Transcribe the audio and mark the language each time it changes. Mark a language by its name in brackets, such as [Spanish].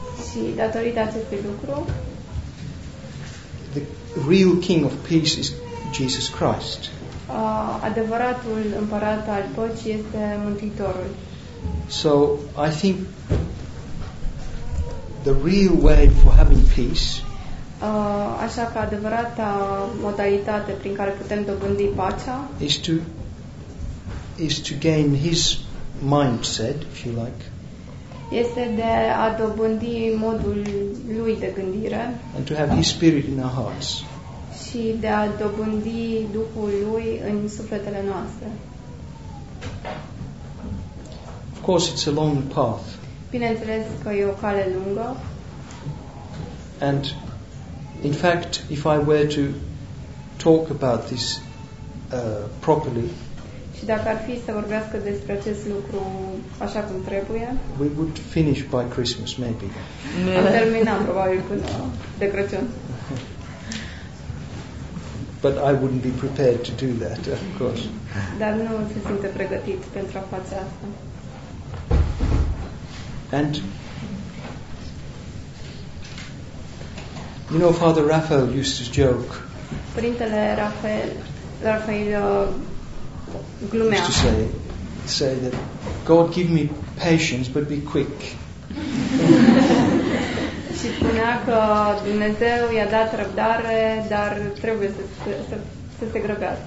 [Romanian] și datorită acestui lucru, [English] the real King of Peace is Jesus Christ. [Romanian] Adevăratul împărat al păcii este Mântuitorul. [English] So I think the real way for having peace, [Romanian] așa că adevărata modalitate prin care putem dobândi pacea, [English] is to gain his mindset, if you like. [Romanian] Este de a dobândi modul lui de gândire. [English] And to have his spirit in our hearts. [Romanian] Și de a dobândi Duhul lui în sufletele noastre. [English] Of course it's a long path. [Romanian] Bineînțeles că e o cale lungă. [English] And in fact, if I were to talk about this properly, [Romanian] și dacă ar fi să vorbească despre acest lucru așa cum trebuie, [English] we would finish by Christmas, maybe. [Romanian] Am terminat probabil până de Crăciun. [English] But I wouldn't be prepared to do that, of course. [Romanian] Dar nu se simte pregătit pentru a face asta. [English] And you know, Father Raphael used to joke. [Romanian] Părintele Rafael glumea. [English] Used to say that God give me patience but be quick. [Romanian] Și spunea că Dumnezeu i-a dat răbdare, dar trebuie să se grăbească.